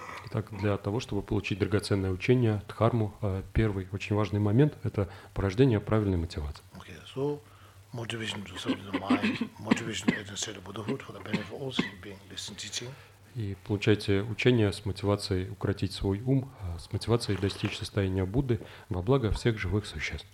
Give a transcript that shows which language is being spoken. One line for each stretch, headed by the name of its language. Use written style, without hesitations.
Russian: Итак, для того, чтобы получить драгоценное учение, дхарму, первый очень важный момент – это порождение правильной мотивации.
English: Okay, so motivation to serve the mind, motivation to enter the state of Buddhahood for the benefit of all sentient beings, listen teaching.
Russian: И получайте учение с мотивацией укротить свой ум, с мотивацией достичь состояния Будды во благо всех живых существ.